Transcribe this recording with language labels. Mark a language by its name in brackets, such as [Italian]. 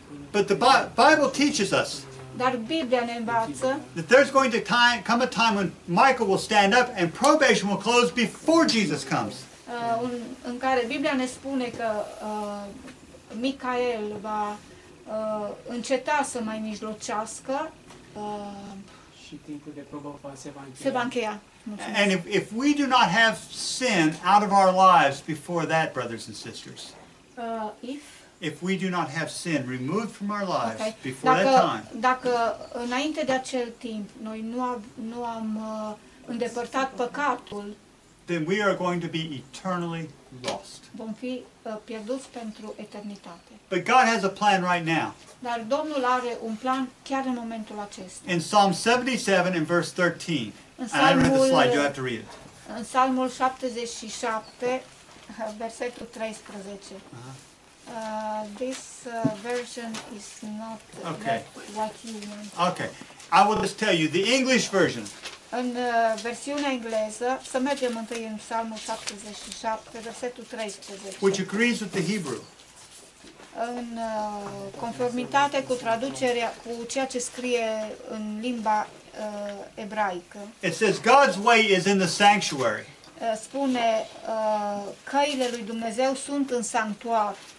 [English] But the Bible teaches us. [Romanian] Dar Biblia ne învață. [English] That there's going to come a time when Michael will stand up and probation will close before Jesus comes. [Romanian] În care Biblia ne spune că Micael va înceta să mai mijlocească și timpul de probă se va încheia. [English] And if we do not have sin out of our lives before that, brothers and sisters, if we do not have sin removed from our lives before that time, [Romanian] dacă înainte de acel timp noi nu am îndepărtat păcatul, [English] then we are going to be eternally lost. [Romanian] Vom fi pierduți pentru eternitate. [English] But God has a plan right now. [Romanian] Dar Domnul are un plan chiar în momentul acesta. [English] In Psalm 77 in verse 13. And I read the slide, you have to read it. [Romanian] În Psalmul 77 versetul 13. [English] This version is not what you want. Okay. I will just tell you the English version. [Romanian] În versiunea engleză, să mergem întâi în Psalmul 77, versetul 13. [English] Which agrees with the Hebrew. [Romanian] În conformitate cu traducerea, cu ceea ce scrie în limba ebraică. [English] It says, God's way is in the sanctuary. [Romanian] Spune, căile lui Dumnezeu sunt în sanctuar.